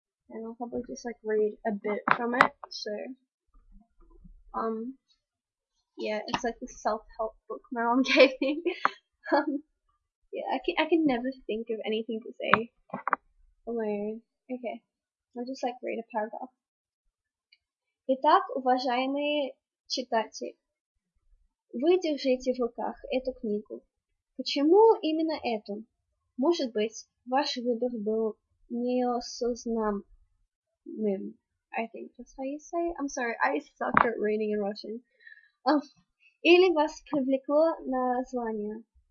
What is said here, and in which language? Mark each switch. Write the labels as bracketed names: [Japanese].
[English] And I'll probably just, like, read a bit from it. So, yeah, it's like the self-help book my mom gave me. I can never think of anything to say alone. Okay, I'll just, like, read a paragraph. [Russian] Итак, уважаемые читатели, вы держите в руках эту книгу. Почему именно эту? Может быть, ваш выбор был неосознан. [English] I think that's how you say it. I'm sorry, I suck at reading in Russian. [Russian] Или вас привлекло название.